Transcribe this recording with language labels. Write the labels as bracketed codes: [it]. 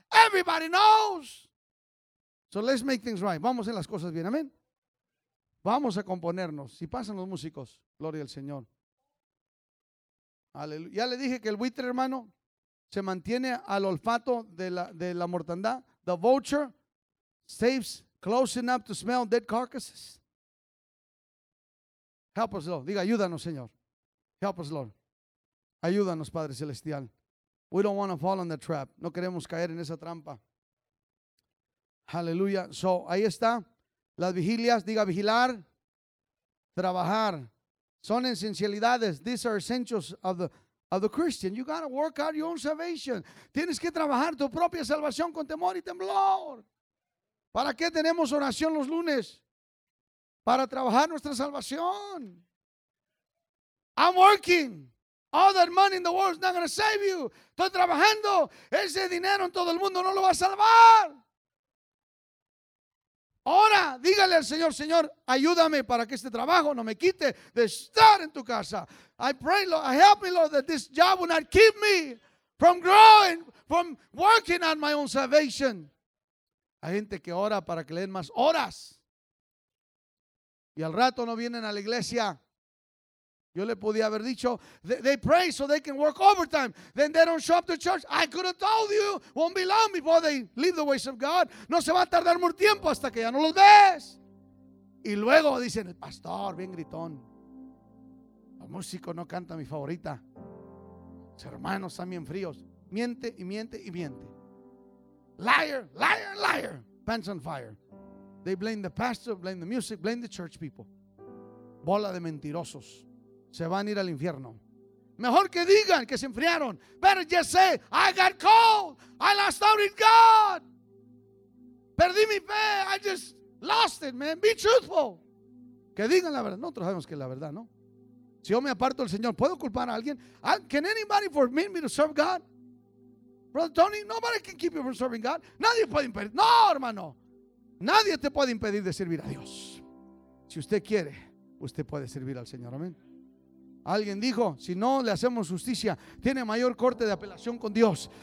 [en] Everybody knows. So let's make things right. [es] Vamos a hacer las cosas bien. Amén. Vamos a componernos. Si pasan los músicos. Gloria al Señor. Aleluya. Ya le dije que el buitre, hermano, se mantiene al olfato de la mortandad. [en] The vulture stays close enough to smell dead carcasses. Help us, Lord. [es] Diga, ayúdanos, Señor. [en] Help us, Lord. [es] Ayúdanos, Padre Celestial. [en] We don't want to fall in the trap. [es] No queremos caer en esa trampa. Aleluya. So, ahí está. Las vigilias. Diga, vigilar. Trabajar. Son esencialidades. [en] These are essentials of the Christian. You got to work out your own salvation. [es] Tienes que trabajar tu propia salvación con temor y temblor. ¿Para qué tenemos oración los lunes? Para trabajar nuestra salvación. [en] I'm working. All that money in the world is not going to save you. [es] Estoy trabajando. Ese dinero en todo el mundo no lo va a salvar. Ahora, dígale al Señor, Señor, ayúdame para que este trabajo no me quite de estar en tu casa. I pray, Lord, help me, Lord, that this job will not keep me from growing, from working on my own salvation. Hay gente que ora para que le den más horas. Y al rato no vienen a la iglesia. Yo le podía haber dicho, [en] they pray so they can work overtime. Then they don't show up to church. I could have told you, won't be long before they leave the ways of God. [es] No se va a tardar mucho tiempo hasta que ya no los ves. Y luego dicen, el pastor, bien gritón. El músico no canta mi favorita. Los hermanos están bien fríos. Miente y miente y miente. [en] Liar, liar, liar. Pants on fire. They blame the pastor, blame the music, blame the church people. [es] Bola de mentirosos. Se van a ir al infierno. Mejor que digan que se enfriaron. [en] Better just say, I got cold. I lost out in God. [es] Perdí mi fe. [en] I just lost it, man. Be truthful. [es] Que digan la verdad. Nosotros sabemos que es la verdad, ¿no? Si yo me aparto del Señor, ¿puedo culpar a alguien? [en] Can anybody permit me to serve God? Brother Tony, nobody can keep you from serving God. [es] Nadie puede impedir. No, hermano. Nadie te puede impedir de servir a Dios. Si usted quiere, usted puede servir al Señor. Amén. Alguien dijo, si no le hacemos justicia, tiene mayor corte de apelación con Dios.